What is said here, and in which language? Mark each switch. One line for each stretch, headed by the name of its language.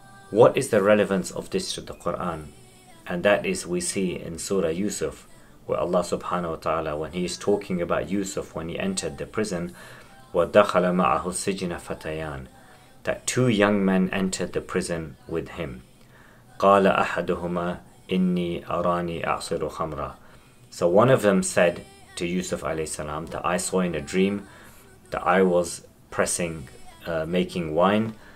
English: What is the relevance of this to the Quran? And that is, we see in Surah Yusuf, where Allah subhanahu wa ta'ala, when he is talking about Yusuf, when he entered the prison,
Arabic: وَدَخَلَ مَعَهُ السِّجْنَ فَتَيَانَ,
English: that two young men entered the prison with him.
Arabic: قَالَ أَحَدُهُمَا إِنِّي أَرَانِي أَعْصِرُ خَمْرًا.
English: So one of them said to Yusuf alayhi salam that I saw in a dream that I was pressing, making wine.